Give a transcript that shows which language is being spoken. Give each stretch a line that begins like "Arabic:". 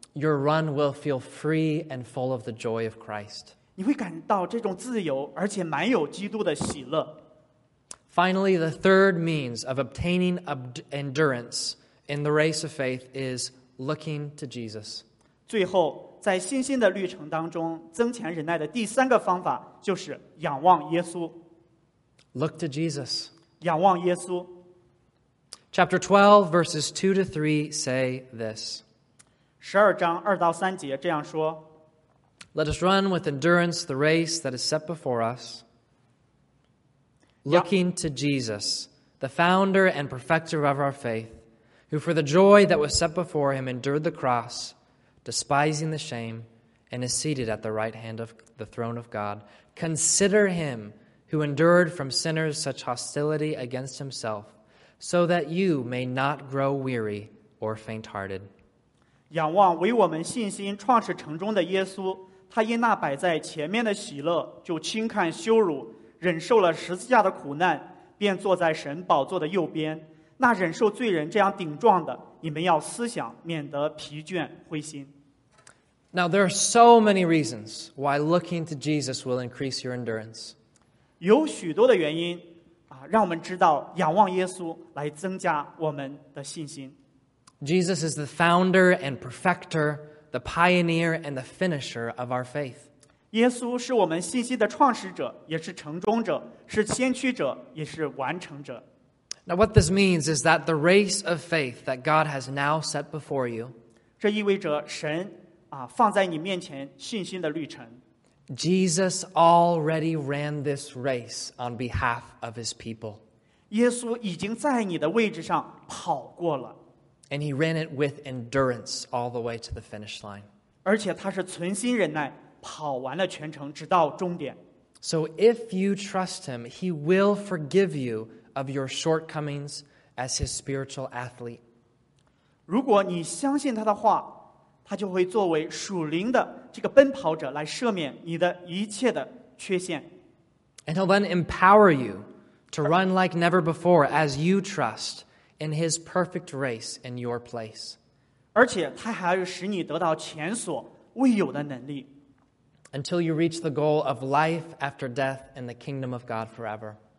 English: Your run will feel free and full of the joy of Christ.
Chinese: 你会感到这种自由，而且满有基督的喜乐。
English: Finally, the third means of obtaining endurance in the race of faith is looking to Jesus.
Chinese: 最后，在信心的旅程当中，增强忍耐的第三个方法就是仰望耶稣。
English: Look to Jesus.
Chinese: 仰望耶稣。
English: Chapter 12, verses 2 to 3 say this.
Chinese: 十二章二到三节这样说。
English: Let us run with endurance the race that is set before us. Looking to Jesus, the founder and perfecter of our faith, who for the joy that was set before him endured the cross, despising the shame, and is seated at the right hand of the throne of God. Consider him who endured from sinners such hostility against himself, so that you may not grow weary or faint-hearted.
Chinese: 仰望为我们信心创始成终的耶稣，他因那摆在前面的喜乐，就轻看羞辱。忍受了十字架的苦难，便坐在神宝座的右边。那忍受罪人这样顶撞的，你们要思想，免得疲倦灰心。
English: Now there are so many reasons why looking to Jesus will increase your endurance.
Chinese: 有许多的原因啊，让我们知道仰望耶稣来增加我们的信心。
English: Jesus is the founder and perfecter, the pioneer and the finisher of our faith.
Chinese: 耶稣是我们信心的创始者，也是成终者，是先驱者，也是完成者。
English: Now what this means is that the race of faith that God has now set before you,
Chinese: 这意味着神啊放在你面前信心的旅程。
English: Jesus already ran this race on behalf of his people.
Chinese: 耶稣已经在你的位置上跑过了。
English: And he ran it with endurance all the way to the finish line.
Chinese: 而且他是存心忍耐。跑完了全程，直到终点。
English: So if you trust him, he will forgive you of your shortcomings as his spiritual athlete.
Chinese: 如果你相信他的话, 他就会作为属灵的这个奔跑者来赦免你的一切的缺陷。
English: And he'll then empower you to run like never before as you trust in his perfect race in your place.
Chinese: 而且他还要使你得到前所未有的能力。
English: Until you reach the goal of life after death in the kingdom of God forever.